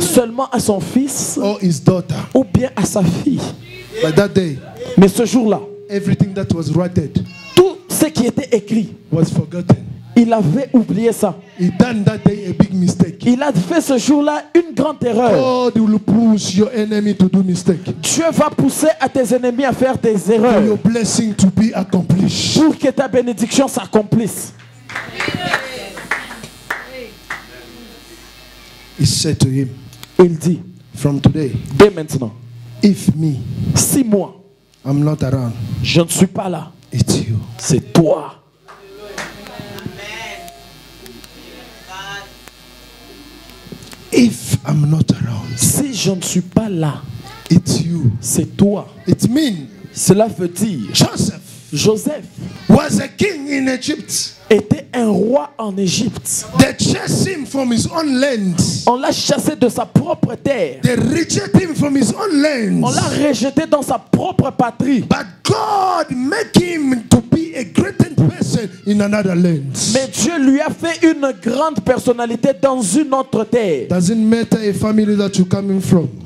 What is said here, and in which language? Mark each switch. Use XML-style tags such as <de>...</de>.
<fr>Seulement à son fils.</fr> <en>Or his daughter.</en> <fr>Ou bien à sa fille.</fr> <en>But that day.</en> <fr>Mais ce jour-là.</fr> <en>Everything that was written.</en> <fr>Tout ce qui était écrit.</fr> <en>Was forgotten.</en> <fr>Il avait oublié ça.</fr> <en>He done that day a big mistake.</en> <fr>Il a fait ce jour-là une grande erreur.</fr> <en>God will push your enemy to do mistake.</en> <fr>Dieu va pousser à tes ennemis à faire des erreurs.</fr> <en>For your blessing to be accomplished.</en> <fr>Pour que ta bénédiction s'accomplisse.</fr> <en>He said to him,</en> <fr>il dit,</fr> <en>from today,</en> <fr>dès maintenant,</fr> <en>if me,</en> <fr>si moi,</fr> <en>I'm not around,</en> <fr>je ne suis pas là,</fr> <en>it's you.</en> <fr>C'est toi.</fr> <en>If I'm not around,</en> <fr>si je ne suis pas là,</fr> <en>it's you.</en> <fr>C'est toi.</fr> <en>It mean,</en> <fr>cela veut dire Joseph, Joseph</fr> <en>was a king in Egypt.</en> <fr>Était un roi en Égypte.</fr> <en>They chased him from his own land.</en> <fr>On l'a chassé de sa propre terre.</fr> <en>They rejected him from his own land.</en> <fr>On l'a rejeté dans sa propre patrie.</fr> <en>But God made him to be a great person in another land.</en> <fr>Mais Dieu lui a fait une grande personnalité dans une autre terre.</fr> <en>Doesn't matter a family that you're coming from.</en>